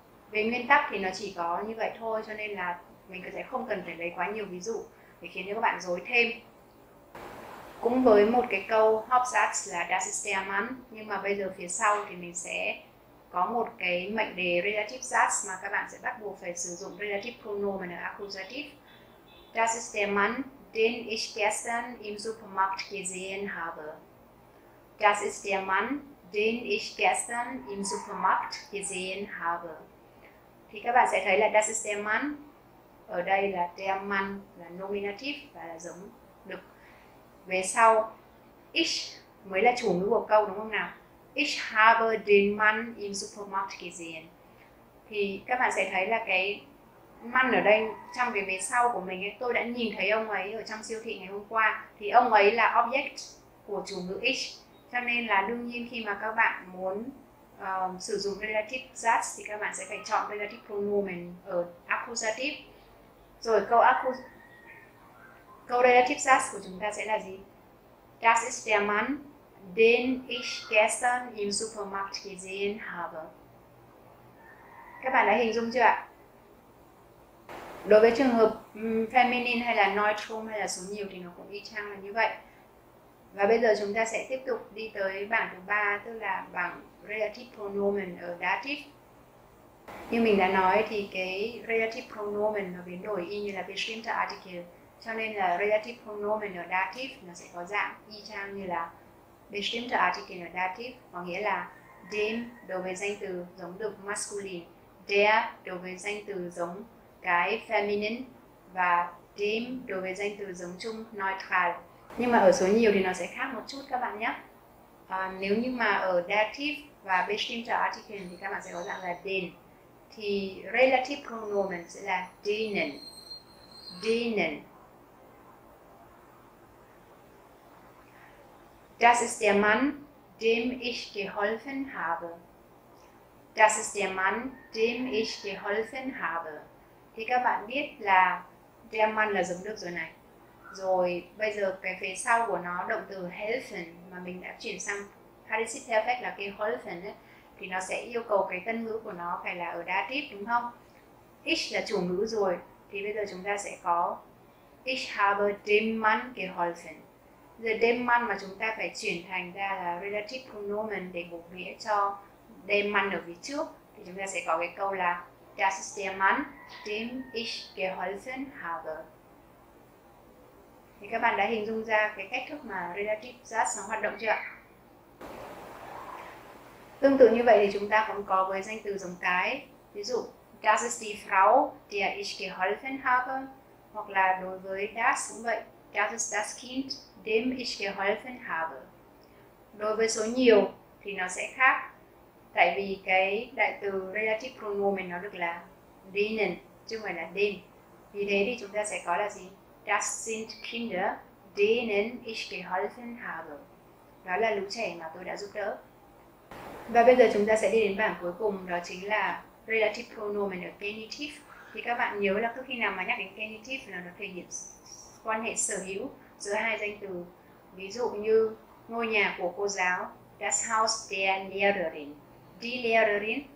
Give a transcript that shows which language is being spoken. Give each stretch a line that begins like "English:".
Vietnamese: Về nguyên tắc thì nó chỉ có như vậy thôi, cho nên là mình sẽ không cần phải lấy quá nhiều ví dụ để khiến cho các bạn rối thêm. Cũng với một cái câu Hauptsatz là
German: Das ist der Mann,
Vietnamese: nhưng mà bây giờ phía sau thì mình sẽ có một cái mệnh đề Relative Satz mà các bạn sẽ bắt buộc phải sử dụng Relative Pronomen ở Accusative.
German: Das ist der Mann, den ich gestern im Supermarkt gesehen habe. Das ist der Mann, den ich gestern im Supermarkt gesehen habe.
Vietnamese: Thì các bạn sẽ thấy là
German: das ist der Mann.
Vietnamese: Ở đây là der Mann là nominative và là giống đực. Về sau, ich mới là chủ ngữ của câu đúng không nào?
German: Ich habe den Mann im Supermarkt gesehen.
Vietnamese: Thì các bạn sẽ thấy là cái Mann ở đây trong cái về sau của mình ấy, tôi đã nhìn thấy ông ấy ở trong siêu thị ngày hôm qua. Thì ông ấy là object của chủ ngữ ich. Cho nên là đương nhiên khi mà các bạn muốn sử dụng relative subject thì các bạn sẽ phải chọn relative pronomen ở accusative. Rồi câu relative subject của chúng ta sẽ là gì?
German: Das ist der Mann, den ich gestern im Supermarkt gesehen habe.
Vietnamese: Các bạn đã hình dung chưa ạ? Đối với trường hợp feminine hay là neutral hay là số nhiều thì nó cũng y chang là như vậy. Và bây giờ chúng ta sẽ tiếp tục đi tới bảng thứ ba, tức là bảng relative pronomen ở dative. Như mình đã nói thì cái relative pronomen nó biến đổi y như là bestimmter Artikel. Cho nên là relative pronomen ở dative nó sẽ có dạng y chang như là bestimmter Artikel ở dative, có nghĩa là dem đối với danh từ giống đực masculine, der đối với danh từ giống cái feminine và dem đối với danh từ giống chung neutral. Nhưng mà ở số nhiều thì nó sẽ khác một chút các bạn nhé. Nếu như mà ở dative và bestimmter Artikel thì các bạn sẽ có dạng là den, thì relative pronomen sẽ là denen, denen.
German: Das ist der Mann, dem ich geholfen habe. Das ist der Mann, dem ich geholfen habe.
Vietnamese: Thì các bạn biết là der Mann là giống đực rồi này. Rồi bây giờ cái phía sau của nó động từ helfen mà mình đã chuyển sang participle perfect là geholfen ấy, thì nó sẽ yêu cầu cái tân ngữ của nó phải là ở dative đúng không? Ich là chủ ngữ rồi thì bây giờ chúng ta sẽ có
German: ich habe dem Mann geholfen.
Vietnamese: Giờ dem Mann mà chúng ta phải chuyển thành ra là relative pronomen để bổ nghĩa cho dem Mann ở phía trước thì chúng ta sẽ có cái câu là
German: Das ist der Mann, dem ich geholfen habe.
Vietnamese: Thì các bạn đã hình dung ra cái cách thức mà relative subject nó hoạt động chưa ạ? Tương tự như vậy thì chúng ta cũng có với danh từ giống cái. Ví dụ,
German: Das ist die Frau, der ich geholfen habe.
Vietnamese: Hoặc là đối với
German: das
Vietnamese: cũng vậy,
German: Das ist das Kind, dem ich geholfen habe.
Vietnamese: Đối với số nhiều thì nó sẽ khác. Tại vì cái đại từ relative pronomen nó được là denen, chứ không phải là dem. Vì thế thì chúng ta sẽ có là gì?
German: Das sind Kinder, denen ich geholfen habe.
Vietnamese: Đó là lũ trẻ mà tôi đã giúp đỡ. Và bây giờ chúng ta sẽ đi đến bảng cuối cùng, đó chính là relative pronomen ở genitive. Thì các bạn nhớ là cứ khi nào mà nhắc đến genitive là nó thể hiện quan hệ sở hữu giữa hai danh từ. Ví dụ như ngôi nhà của cô giáo,
German: das Haus der Lehrerin, die Lehrerin.